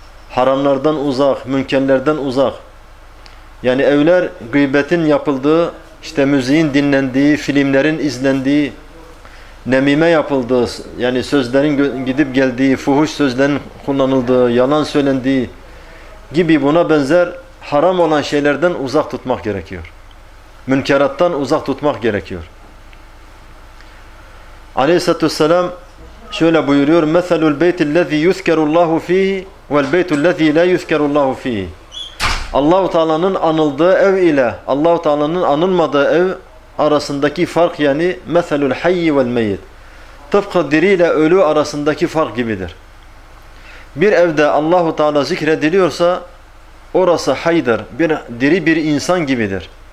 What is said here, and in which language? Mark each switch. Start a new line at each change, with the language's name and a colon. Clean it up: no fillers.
Turkish: Haramlardan uzak, münkerlerden uzak. Yani evler gıybetin yapıldığı, işte müziğin dinlendiği, filmlerin izlendiği, nemime yapıldığı, yani sözlerin gidip geldiği, fuhuş sözlerin kullanıldığı, yalan söylendiği gibi buna benzer haram olan şeylerden uzak tutmak gerekiyor. Münkerattan uzak tutmak gerekiyor. Aleyhissalatü vesselam şöyle buyuruyor:
Arabic: مَثَلُ الْبَيْتِ الَّذ۪ي يُذْكَرُ اللّٰهُ ف۪يهِ وَالْبَيْتُ الَّذ۪ي لَا يُذْكَرُ اللّٰهُ ف۪يهِ.
Turkish: Allah-u Teala'nın anıldığı ev ile Allah-u Teala'nın anılmadığı ev arasındaki fark, yani
Arabic: مَثَلُ الْحَيِّ وَالْمَيِّدِ,
Turkish: tıpkı diri ile ölü arasındaki fark gibidir. Bir evde Allah-u Teala zikrediliyorsa orası haydır, bir diri bir insan gibidir.